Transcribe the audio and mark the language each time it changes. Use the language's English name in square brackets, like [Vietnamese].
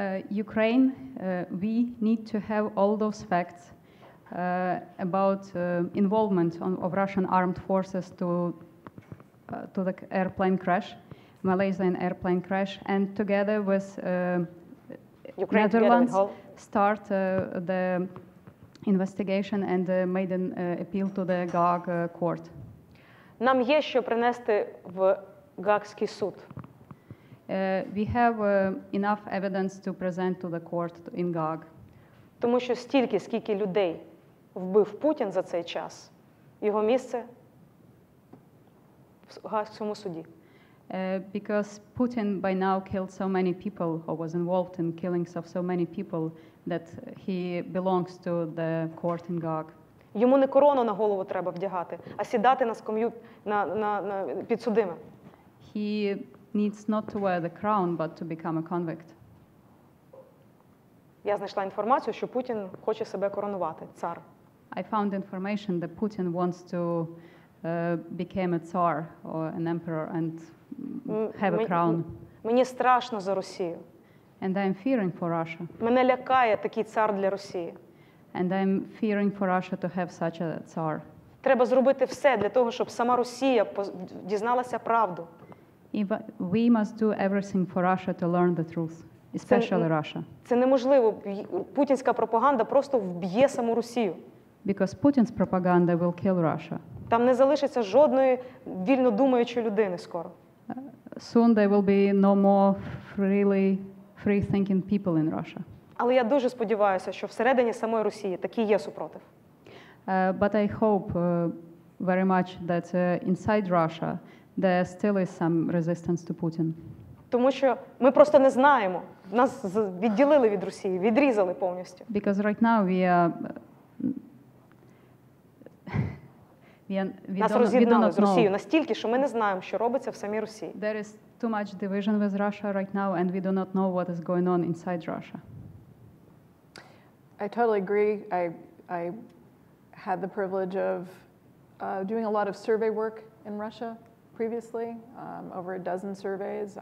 [English] Ukraine, we need to have all those facts about involvement of Russian armed forces to the airplane crash, Malaysian airplane crash, and together with Ukraine, Netherlands, together with Holland, start the investigation and made an appeal to the Gaag court. [Ukrainian] Нам є що принести в Гаагський суд. [English] We have enough evidence to present to the court in Gaag. [Ukrainian] Тому що стільки, скільки людей вбив Путін за цей час, його місце в Гаагському суді. [English] Because Putin by now killed so many people or was involved in killings of so many people that he belongs to the court in Gaag. [Ukrainian] Йому не корону на голову треба вдягати, а сідати на скам'ю на підсудимим. [English] He needs not to wear the crown, but to become a convict. [Ukrainian] Я знайшла інформацію, що Путін хоче себе коронувати, цар. [English] I found information that Putin wants to become a tsar or an emperor and have a crown. [Ukrainian] Мені страшно за Росію. [English] And I'm fearing for Russia. [Ukrainian] Мене лякає такий цар для Росії. [English] And I'm fearing for Russia to have such a tsar. [Ukrainian] Треба зробити все для того, щоб сама Росія дізналася правду. [English] We must do everything for Russia to learn the truth, especially Russia. [Ukrainian] Це неможливо. Путінська пропаганда просто вб'є саму Росію. [English] Because Putin's propaganda will kill Russia. [Ukrainian] Там не залишиться жодної вільно думаючої людини скоро. [English] Soon there will be no more free-thinking people in Russia. [Ukrainian] Але я дуже сподіваюся, що всередині самої Росії такі є супротив. [English] But I hope very much that inside Russia there still is some resistance to Putin. [Ukrainian] Тому що ми просто не знаємо. Нас відділили від Росії, відрізали повністю. [English] Because right now we don't [Ukrainian] з Росією настільки, що ми не знаємо, що робиться в самій Росії. [English] There is too much division with Russia right now, and we do not know what is going on inside Russia. I totally agree. I had the privilege of doing a lot of survey work in Russia previously, over a dozen surveys.